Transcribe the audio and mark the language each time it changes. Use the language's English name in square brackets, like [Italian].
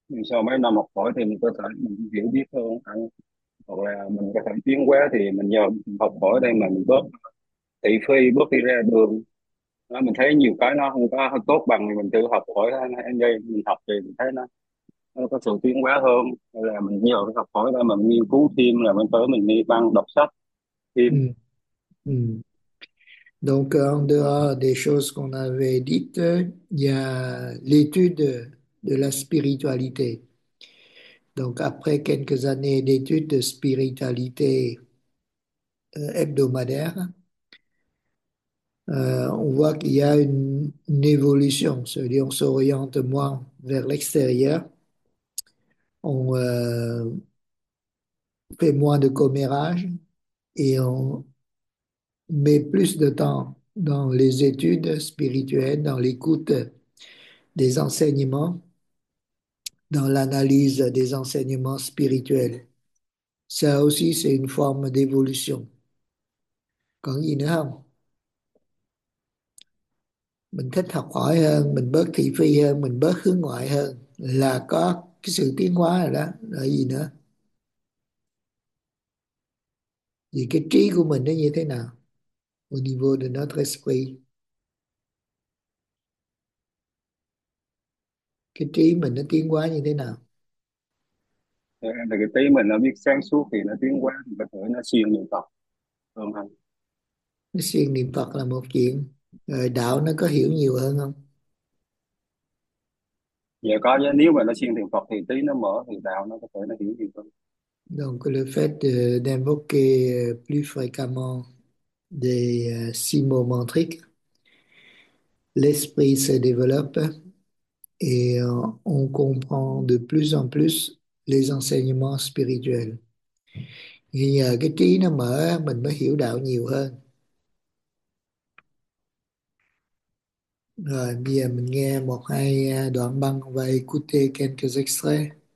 [Vietnamese] Sau mấy năm học hỏi thì mình có thể mình hiểu biết hơn anh, hoặc là mình có thể tiến hóa thì mình nhờ học hỏi đây mà mình bớt thị phi, bớt đi ra đường đó, mình thấy nhiều cái nó không có tốt bằng mình tự học hỏi anh đây, mình học thì mình thấy nó có sự tiến hóa hơn, hay là mình nhờ cái học hỏi đây mà mình nghiên cứu thêm, là mình tới mình đi băng đọc sách thêm. [French] Donc, en dehors des choses qu'on avait dites, il y a l'étude de la spiritualité. Donc, après quelques années d'études de spiritualité hebdomadaire, on voit qu'il y a une évolution, c'est-à-dire qu'on s'oriente moins vers l'extérieur, on fait moins de commérages et on met plus de temps dans les études spirituelles, dans l'écoute des enseignements, dans l'analyse des enseignements spirituels. Ça aussi, c'est une forme d'évolution. [Vietnamese] Còn gì nữa không? Mình thích học hỏi hơn, mình bớt thị phi hơn, mình bớt hướng ngoại hơn, là có cái sự tiến hóa rồi đó. Là gì nữa? Vì cái trí của mình nó như thế nào? [French] Au niveau de notre esprit. [Vietnamese] Cái trí mình nó tiến hóa như thế nào? Thì cái tí mình nó biết sáng suốt thì nó tiến hóa, thì có thể nó siêng niệm Phật không anh? Siêng niệm Phật là một chuyện, rồi đạo nó có hiểu nhiều hơn không? Dạ có, chứ nếu mà nó siêng niệm Phật thì tí nó mở thì đạo nó có thể nó hiểu nhiều hơn. [French] Donc le fait d'invoquer plus fréquemment des six mots mantriques, l'esprit se développe et on comprend de plus en plus les enseignements spirituels. [Vietnamese] Et nhờ cái trí nó mở, mình mới hiểu đạo nhiều hơn. Rồi bây giờ mình nghe một hai đoạn băng và [French] écouter quelques extraits.